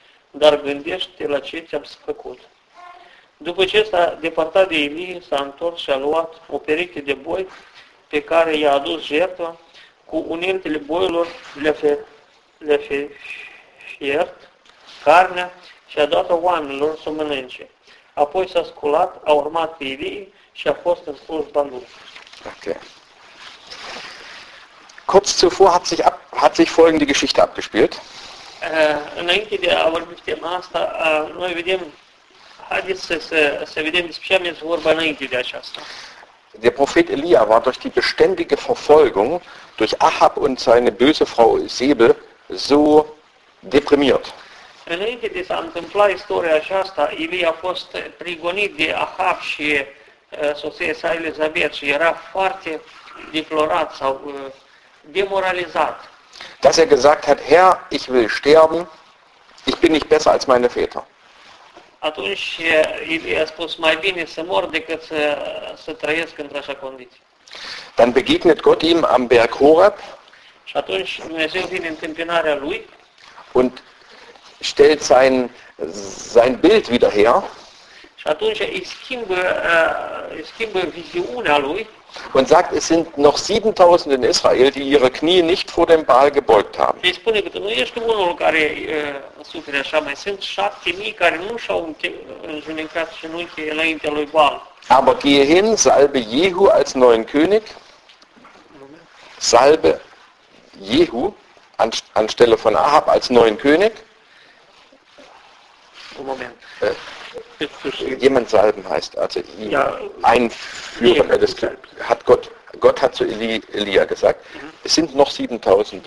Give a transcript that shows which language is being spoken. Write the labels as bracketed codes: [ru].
[ro] Dar gândește-te la ce ți-am făcut. După ce s-a depărtat de Ilie, s-a întors și a luat o pereche de boi pe care i-a adus jertfa, cu uneltele boilor le-a fiert carnea și a dat-o oamenilor să mănânce. Apoi s-a sculat, a urmat pe Ilie și a fost în slujba lui. Okay. [de] Kurz zuvor hat sich folgende Geschichte abgespielt. [ro] Înainte de a vorbi tema asta, noi vedem, haideți să vedem despre ce am zis vorba înainte de aceasta. [de] Der Prophet Elia war durch die beständige Verfolgung durch Ahab und seine böse Frau Sebe so deprimiert. [ro] Înainte de s-a întâmplat istoria aceasta, Elia a fost prigonit de Ahab și soția sa Elizabeth și era foarte deplorat sau demoralizat. [de] Dass er gesagt hat, Herr, ich will sterben, ich bin nicht besser als meine Väter. [ro] Atunci Elia a spus, mai bine să mor decât să trăiesc într-așa condiție. [de] Dann begegnet Gott ihm am Berg Horeb. [ro] Și atunci Dumnezeu vine în tâmpinarea lui. [de] Und stellt sein Bild wieder her. [ro] Și atunci îi schimbă viziunea lui. [de] Und sagt, es sind noch 7000 in Israel, die ihre Knie nicht vor dem Baal gebeugt haben. [ro] Ich spune că nu ești unul care suferă așa, mai sunt 7000 care nu și-au înjunecat genunchii înaintea lui Baal. [de] Aber gehe hin, salbe Jehu als neuen König. Salbe Jehu anstelle von Ahab als neuen König. Moment. Jemand salben heißt, also ihn ja, einführen, nee, hat Gott hat zu Elia gesagt, es sind noch 7000